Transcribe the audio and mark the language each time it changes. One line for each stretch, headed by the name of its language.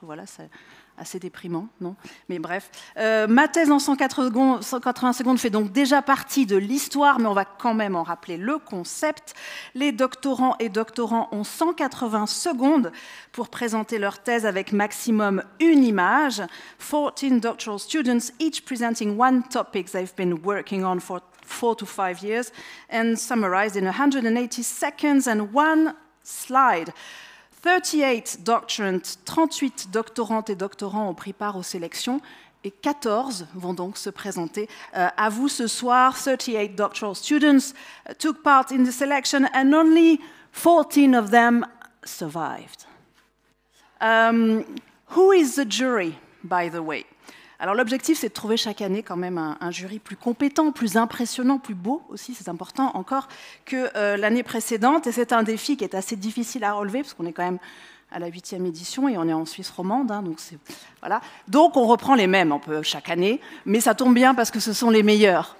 French: Voilà, c'est assez déprimant, non ? Mais bref. Ma thèse en 180 secondes fait donc déjà partie de l'histoire, mais on va quand même en rappeler le concept. Les doctorants et doctorants ont 180 secondes pour présenter leur thèse avec maximum une image.
English: 14 doctoral students, each presenting one topic they've been working on for 4 to 5 years and summarized in 180 seconds and one slide.
French: 38 doctorantes et doctorants ont pris part aux sélections et 14 vont donc se présenter à vous ce soir.
English: 38 doctoral students took part in the selection and only 14 of them survived. Who is the jury, by the way?
French: Alors l'objectif, c'est de trouver chaque année quand même un jury plus compétent, plus impressionnant, plus beau aussi, c'est important encore, que l'année précédente. Et c'est un défi qui est assez difficile à relever, parce qu'on est quand même à la 8e édition et on est en Suisse romande. Hein, donc, c'est, voilà. Donc on reprend les mêmes un peu chaque année, mais ça tombe bien parce que ce sont les meilleurs.